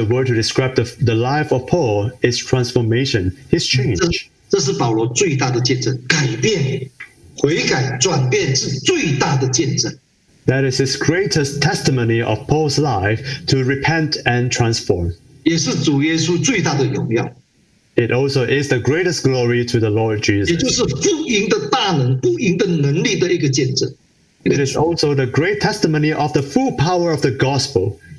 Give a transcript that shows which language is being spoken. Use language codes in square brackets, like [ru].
[en] a word to describe the life of Paul. Is transformation. His change. [zh] 这是保罗最大的见证，改变、悔改、转变是最大的见证。 [en] That is his greatest testimony of Paul's life to repent and transform. [zh] 也是主耶稣最大的荣耀。 [en] It also is the greatest glory to the Lord Jesus. [zh] 也就是福音的大能，福音的能力的一个见证。 [en] It is also the great testimony of the full power of the gospel.